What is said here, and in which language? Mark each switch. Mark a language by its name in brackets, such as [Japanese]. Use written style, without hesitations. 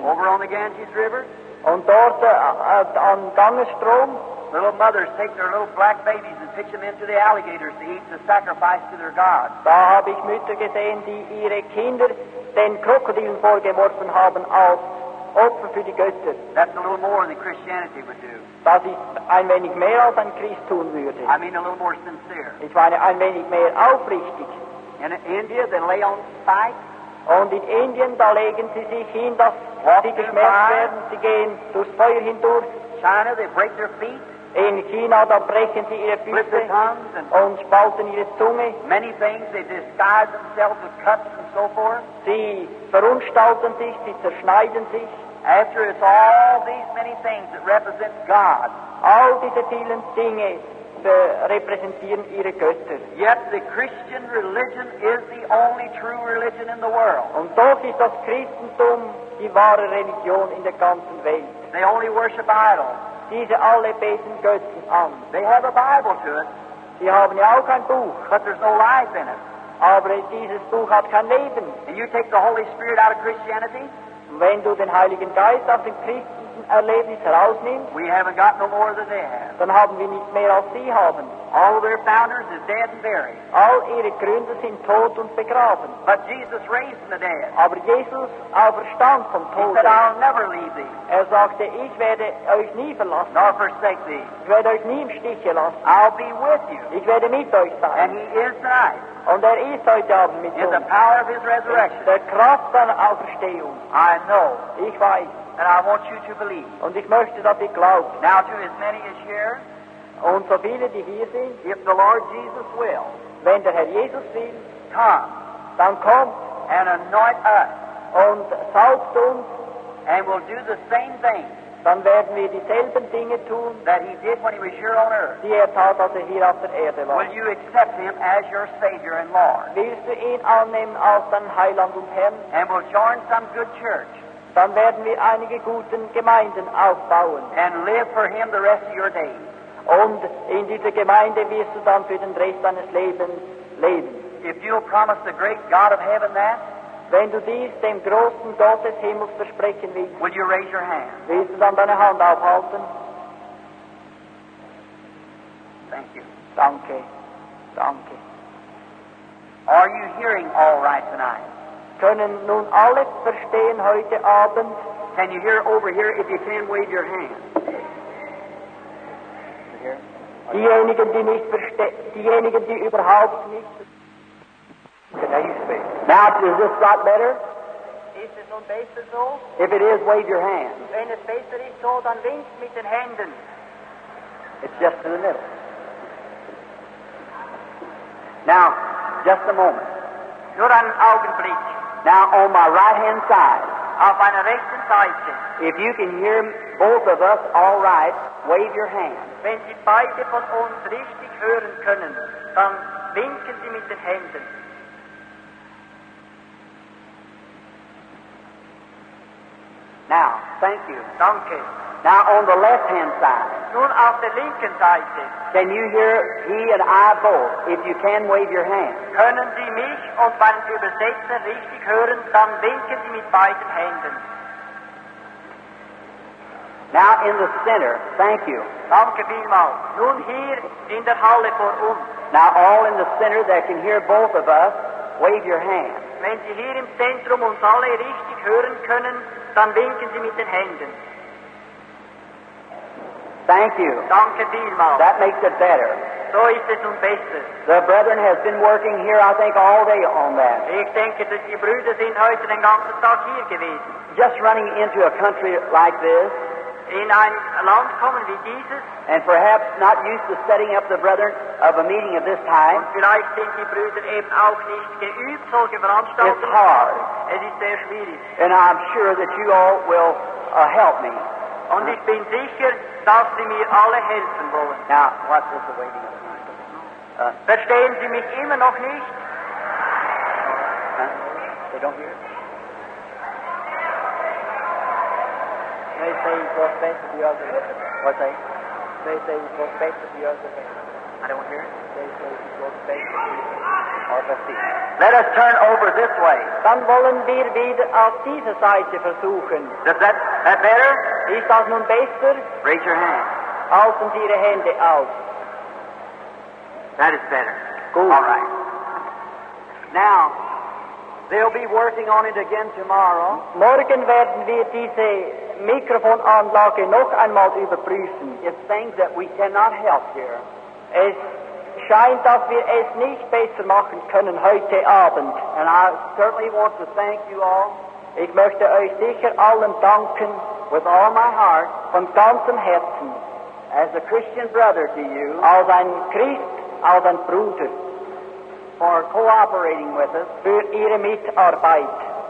[English] Over on the Ganges River. [German] Und dort am Gangesstrom. [English] Little mothers take their little black babies and pitch them into the alligators to eat the sacrifice to their gods. [German] Da habe ich Mütter gesehen, die ihre Kinder den Krokodilen vorgeworfen haben als Opfer für die Götter. [English] That's a little more than Christianity would do. [German] Das ist ein wenig mehr, als ein Christ tun würde. [English] I mean a little more sincere. [German] Ich meine ein wenig mehr aufrichtig. [English] In India, they lay on spikes. [German] Und in Indien, da legen sie sich hin, dass Walk sie geschmerzt werden. Sie gehen durchs Feuer hindurch. [English] China, they break their feet. [German] In China, da brechen sie ihre Füße und spalten ihre Zunge. [English] Many things, they disguise themselves with cuts and so forth. [German] Sie verunstalten sich, sie zerschneiden sich. [English] After it's all these many things that represent God. [German] All diese vielen Dinge repräsentieren ihre Götter. [English] Yet the Christian religion is the only true religion in the world. [German] Und doch ist das Christentum die wahre Religion in der ganzen Welt. [English] They only worship idols. [German] Diese alle beten Götzen an. [English] They have a Bible to it. [German] Sie haben ja auch ein Buch. [English] But there's no life in it. [German] Aber dieses Buch hat kein Leben. [English] And you take the Holy Spirit out of Christianity? [German] Wenn du den Heiligen Geist aus dem christlichen Erlebnis herausnimmst, [English] we haven't got no more than they have. [German] Dann haben wir nicht mehr als sie haben. [English] All their founders are dead and buried. [German] All ihre Gründer sind tot und begraben. [English] But Jesus raised from the dead. [German] Aber Jesus auferstand vom Tod. [English] He said, I'll never leave thee. [German] Er sagte, ich werde euch nie verlassen. [English] Nor forsake thee. [German] Ich werde euch nie im Stich lassen. [English] I'll be with you. [German] Ich werde mit euch sein. [English] And he is tonight. [German] Und ist heute Abend mit in uns. [English] The power of his resurrection. [German] Der Kraft seiner Auferstehung. [English] I know. [German] Ich weiß. [English] And I want you to believe. [German] Und ich möchte, dass ihr glaubt. [English] Now to as many as here. [German] Und so viele, die hier sind, [English] if the Lord Jesus will, [German] wenn der Herr Jesus will, [English] come, [German] dann kommt, [English] and anoint us, [German] und salbt uns, [English] and will do the same thing, [German] dann werden wir dieselben Dinge tun, [English] that he did when he was here on earth, [German] die tat, als hier auf der Erde war. [English] Will you accept him as your Savior and Lord? [German] Willst du ihn annehmen als dein Heiland und Herrn? [English] And will join some good church, [German] dann werden wir einige guten Gemeinden aufbauen, [English] and live for him the rest of your days. [German] Und in dieser Gemeinde wirst du dann für den Rest deines Lebens leben. [English] If you'll promise the great God of heaven that, [German] wenn du dies dem großen Gott des Himmels versprechen willst, [English] will you raise your hand? [German] Willst du dann deine Hand aufhalten? [English] Thank you. [German] Danke. Danke. [English] Are you hearing all right tonight? [German] Können nun alle verstehen heute Abend? [English] Can you hear over here? If you can, wave your hand. [German] Diejenigen, die überhaupt nicht. [English] Okay, now you speak. Now, is this got better? Is it [German] nun besser so? [English] If it is, wave your hand. [German] Wenn es besser ist so, dann wink mit den Händen. [English] It's just in the middle. Now, just a moment. [German] Nur einen Augenblick. [English] Now, on my right-hand side. [German] Auf einer rechten Seite. [English] If you can hear both of us all right, wave your hand. [German] Wenn Sie beide von uns richtig hören können, dann winken Sie mit den Händen. [English] Now, thank you. [German] Danke. [English] Now, on the left-hand side. [German] Nun auf der linken Seite. [English] Can you hear he and I both? If you can, wave your hand. [German] Können Sie mich und meinen Übersetzer richtig hören, dann winken Sie mit beiden Händen. [English] Now, in the center. Thank you. [German] Danke vielmals. Nun hier in der Halle vor uns. [English] Now, all in the center that can hear both of us, wave your hand. [German] Wenn Sie hier im Zentrum uns alle richtig hören können, dann winken Sie mit den Händen. [English] Thank you. [German] Danke vielmals. [English] That makes it better. [German] So ist es nun besser. [English] The brethren has been working here, I think, all day on that. [German] Ich denke, dass die Brüder sind heute den ganzen Tag hier gewesen. [English] Just running into a country like this. [German] In ein Land kommen wie dieses. [English] And perhaps not used to setting up the brethren of a meeting of this time. [German] Und vielleicht sind die Brüder eben auch nicht geübt, solche Veranstaltungen. [English] It's hard. [German] Es ist sehr schwierig. [English] And I'm sure that you all will help me. [German] Und ich bin sicher, dass Sie mir alle helfen wollen. [English] Now, what is the waiting of time? [German] Verstehen Sie mich immer noch nicht? [English] They don't hear it? They say you go back to the other hand. What say? They say you go back to the other hand. I don't hear it. They say you go back to the other hand. Let us turn over this way. [German] Dann wollen wir wieder auf diese Seite versuchen. [English] Does that better? [German] Ist das nun besser? [English] Raise your hand. [German] Halten Sie Ihre Hände auf. [English] That is better. [German] Gut. [English] All right. Now, they'll be working on it again tomorrow. [German] Morgen werden wir diese Mikrofonanlage noch einmal überprüfen. [English] It's things that we cannot help here. [German] Es scheint, dass wir es nicht besser machen können heute Abend. [English] And I certainly want to thank you all. [German] Ich möchte euch sicher allen danken. [English] With all my heart. [German] Von ganzem Herzen. [English] As a Christian brother to you. [German] Als ein Christ, als ein Bruder. [English] For cooperating with us. [German] Für ihre Mitarbeit.